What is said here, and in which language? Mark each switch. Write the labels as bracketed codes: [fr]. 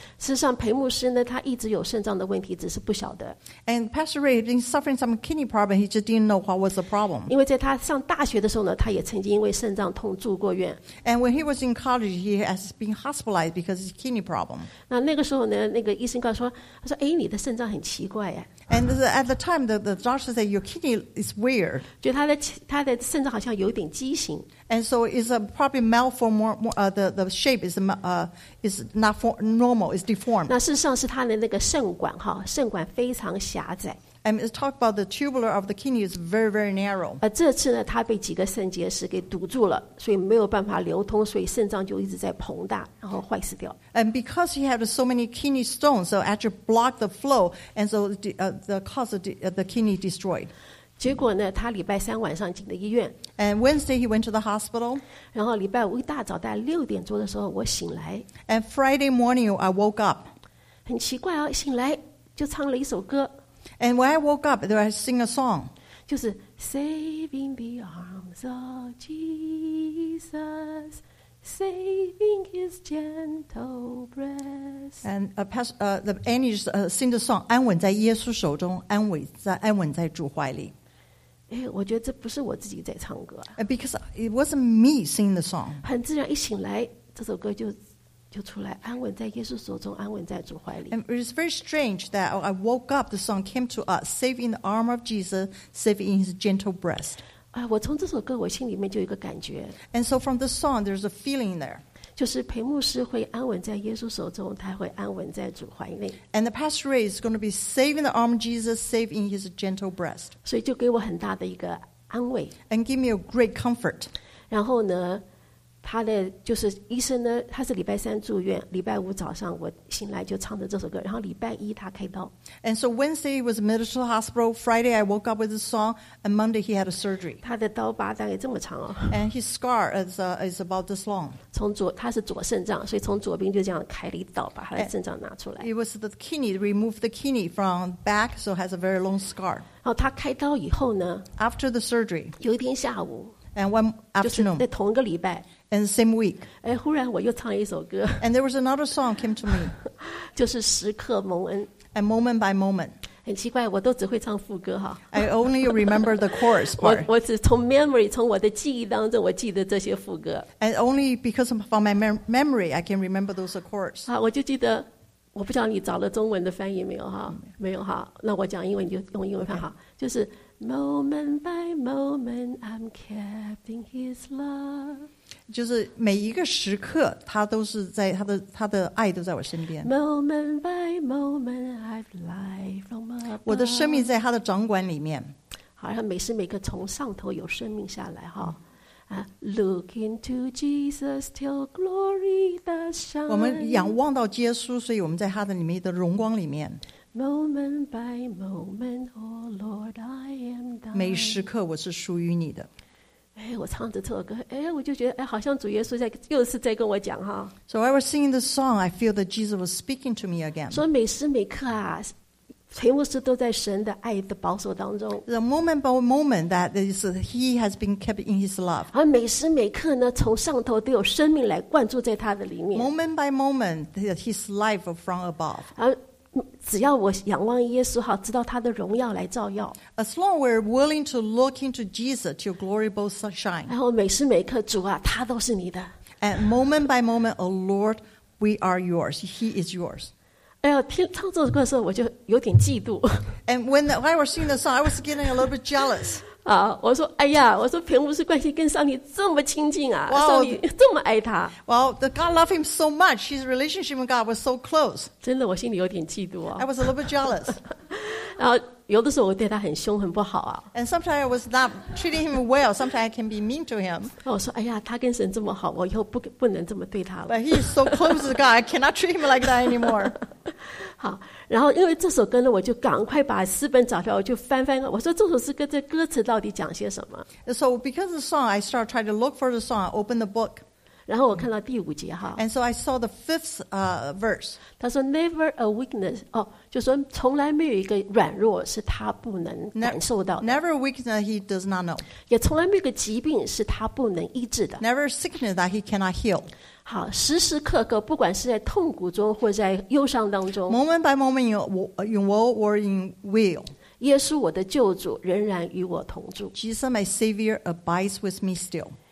[zh] 事实上裴牧师呢他一直有肾脏的问题只是不晓得。 [en] And Pastor Ray had been suffering some kidney problem, he just didn't know what was the problem. [zh] 因为在他上大学的时候呢他也曾经因为肾脏痛住过院。 [en] And when he was in college, he has been hospitalized because of his kidney problem. [zh] 那个时候呢那个医生告诉他说哎你的肾脏很奇怪啊。 [en] And at the time, the doctor said, your kidney is weird. [zh] 觉得他的肾脏好像有点畸形。 [en] And so it's probably malformed, the shape is not normal, it's deformed. [zh] 那事实上是他的那个肾管哈，肾管非常狭窄。 [en] And it's talked about the tubular of the kidney is very, very narrow. [zh] 这次呢，他被几个肾结石给堵住了，所以没有办法流通，所以肾脏就一直在膨大，然后坏死掉。 [en] And because he had so many kidney stones, so actually blocked the flow, and so the cause of the kidney destroyed. [zh] 结果呢，他礼拜三晚上进的医院。 [en] And Wednesday he went to the hospital. [zh] 然后礼拜五一大早大概六点钟的时候我醒来。 [en] And Friday morning I woke up. [zh] 很奇怪哦，醒来就唱了一首歌。 [en] And when I woke up, I sing a song. [zh] 就是 [en] Saving the arms of Jesus, saving his gentle breast. And the Annie sing the song, [zh] 安稳在耶稣手中，安稳在主怀里。哎，我觉得这不是我自己在唱歌。 [en] Because it wasn't me singing the song. [zh] 很自然一醒来，这首歌就出来，安稳在耶稣手中，安稳在主怀里。 [en] And it is very strange that I woke up. The song came to us, saving the arm of Jesus, saving his gentle breast. [zh] 我从这首歌，我心里面就有一个感觉。 [en] And so from the song, there's a feeling there. [zh] 就是裴牧师会安稳在耶稣手中，他会安稳在主怀里。 [en] And the pastor Ray is going to be saving the arm of Jesus, saving his gentle breast. [zh] 所以就给我很大的一个安慰。 [en] And give me a great comfort. [zh] 然后呢？他的就是医生呢，他是礼拜三住院，礼拜五早上我醒来就唱着这首歌，然后礼拜一他开刀。 [en] And so Wednesday was admitted to the hospital. Friday I woke up with a song, and Monday he had a surgery. [zh] 他的刀疤大概这么长哦。 [en] And his scar is about this long. [zh] 他是左肾脏，所以从左边就这样开了一刀，把他的肾脏拿出来。 [en] It was the kidney, removed the kidney from back, so has a very long scar. [zh] 然后他开刀以后呢 [en] ？After the surgery. [zh] 有一天下午。 [en] And one afternoon. [zh] 就是在同一个礼拜。 [en] And the same week. [zh] 哎，忽然我又唱了一首歌。 [en] And there was another song came to me. [zh] 就是时刻蒙恩。 [en] And moment by moment. [zh] 很奇怪，我都只会唱副歌哈。 [en] I only remember the chorus part. [zh] 我只从 memory， 从我的记忆当中，我记得这些副歌。 [en] And only because of my memory, I can remember those chords. [zh] 啊，我就记得，我不知道你找了中文的翻译没有哈？ Mm-hmm. 没有哈？那我讲英文，你就用英文翻哈。 [en] Okay. [zh] 就是 [en] moment by moment, I'm kept in His love. [zh] 就是每一个时刻他都是在他的爱都在我身边 [en] moment by moment I fly from above [zh] 我的生命在他的掌管里面好像每时每刻从上头有生命下来、哦 [en] look into Jesus till glory does shine [zh] 我们仰望到耶稣所以我们在他的里面的荣光里面 [en] moment by moment oh Lord I am thine [zh] 每时刻我是属于你的哎，我唱着这首歌，哎，我就觉得，哎，好像主耶稣在又是在跟我讲哈。 [en] So I was singing the song, I feel that Jesus was speaking to me again. [zh] 所以每时每刻啊，全部是都在神的爱的保守当中。 [en] The moment by moment that is He has been kept in His love. [zh] 而每时每刻呢，从上头都有生命来灌注在他的里面。 [en] Moment by moment, His life from above. [zh] 只要我仰望耶稣好知道他的荣耀来照耀 [en] As long as we're willing to look into Jesus your glory both shine [zh] 然后每时每刻主啊他都是你的 [en] And moment by moment oh Lord we are yours He is yours [zh] 哎呀听唱这首歌的时候我就有点嫉妒 [en] And when I was singing the song I was getting a little bit jealous [zh] 啊，我说哎呀我说平无事关系跟上帝这么亲近啊 wow, 上帝这么爱他 [en] Well, the God loved him so much His relationship with God was so close [zh] 真的我心里有点嫉妒、哦、 [en] I was a little bit jealous [zh] 然后有的时候我对他很凶很不好啊 [en] And sometimes I was not treating him well Sometimes I can be mean to him [zh] 我说哎呀他跟神这么好我以后 不能这么对他了 [en] But he is so close to God I cannot treat him like that anymore [zh] 好然后因为这首歌呢我就赶快把诗本找出来我就翻翻我说这首诗歌这歌词到底讲些什么 [en] So because of the song I started trying to look for the song I opened the book [zh] 然后我看到第五节哈 [en] And so I saw the fifth verse [zh] 他说 [en] Never a weakness [zh] 哦就说从来没有一个软弱是他不能感受到的 [en] Never a weakness that he does not know [zh] 也从来没有一个疾病是他不能医治的 [en] Never a sickness that he cannot heal [zh] 好时时刻刻不管是在痛苦中或在忧伤当中 [en] Moment by moment in woe or in weal [zh] 耶稣我的救主仍然与我同住 [en] Jesus my Savior abides with me still